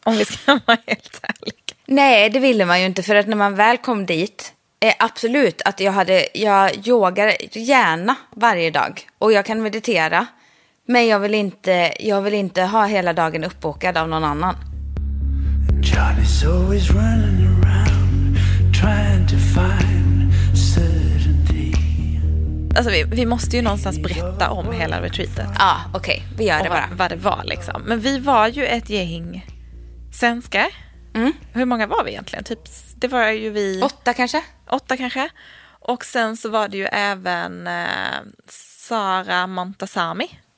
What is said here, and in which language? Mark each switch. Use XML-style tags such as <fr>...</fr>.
<sv>Om vi ska vara helt ärliga. Nej, det ville man ju inte. För att när man väl kom dit... absolut, att jag yogar gärna varje dag. Och jag kan meditera. Men jag vill inte ha hela dagen uppbokad av någon annan.</sv> <en>Charlie's always running around trying to find certainty.</en> <sv>Alltså vi måste ju någonstans berätta om hela retreatet. Ja, okej. Okay, vi gör det bara. Vad det var liksom. Men vi var ju ett gäng svenskar. Mm. Hur många var vi egentligen? Typ, det var ju vi... 8 kanske? 8 kanske. Och sen så var det ju även Sara Montasami.</sv>